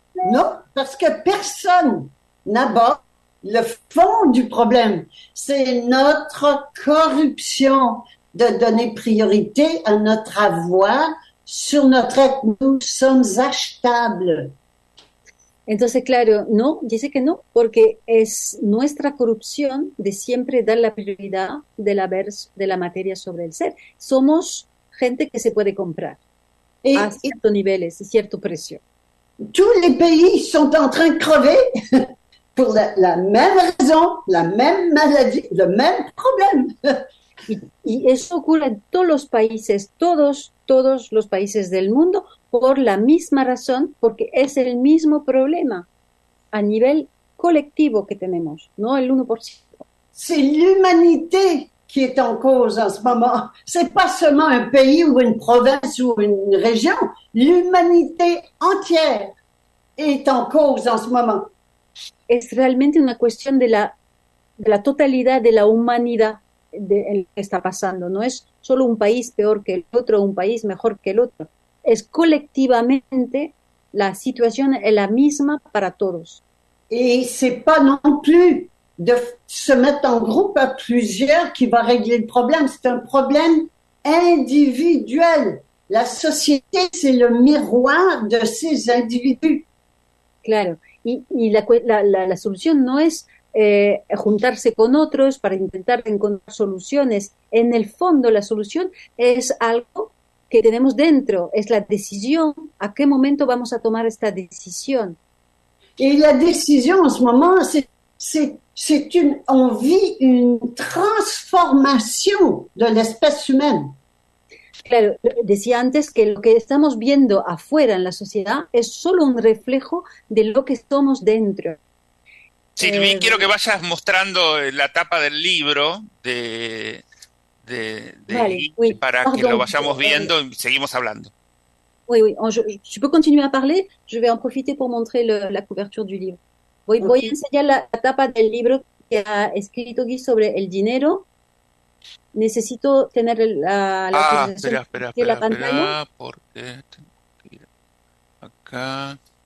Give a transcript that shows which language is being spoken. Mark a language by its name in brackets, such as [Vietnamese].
[French] Non, parce que personne n'aborde. Le fond du problème, c'est notre corruption de donner priorité à notre avoir sur notre être. Nous sommes achetables. [Spanish] Entonces, claro, no, dice que no, porque es nuestra corrupción de siempre dar la prioridad de la materia sobre el ser. Somos gente que se puede comprar a ciertos niveles, a cierto precio. [French] Tous les pays sont en train de crever. Pour la même raison, la même maladie, le même problème. [Spanish] Y eso ocurre en todos los países, todos los países del mundo, por la misma razón, porque es el mismo problema a nivel colectivo que tenemos, no el 1%. [French] C'est l'humanité qui est en cause en ce moment. C'est pas seulement un pays ou une province ou une région. L'humanité entière est en cause en ce moment. [Spanish] Es realmente una cuestión de la totalidad de la humanidad de lo que está pasando. No es solo un país peor que el otro, un país mejor que el otro. Es colectivamente la situación es la misma para todos. [French] Y c'est pas non plus de se mettre en groupe à plusieurs qui va régler le problème. C'est un problème individuel. La société, c'est le miroir de ces individus. [Spanish] Claro. Y la solución no es juntarse con otros para intentar encontrar soluciones. En el fondo, la solución es algo que tenemos dentro. Es la decisión. ¿A qué momento vamos a tomar esta decisión? Y la decisión en ese momento es una transformación de la especie humana. Claro, decía antes que lo que estamos viendo afuera en la sociedad es solo un reflejo de lo que somos dentro. Silvi, quiero que vayas mostrando la tapa del libro de vale, oui, para [French] pardon, [Spanish] que lo vayamos viendo y seguimos hablando. [French] Oui, oui. Je peux continuer à parler? Je vais en profiter pour montrer la couverture du livre. [Spanish] Voy a enseñar la tapa del libro que ha escrito Guy sobre el dinero. Necesito tener la espera, pantalla. Porque tengo que ir acá.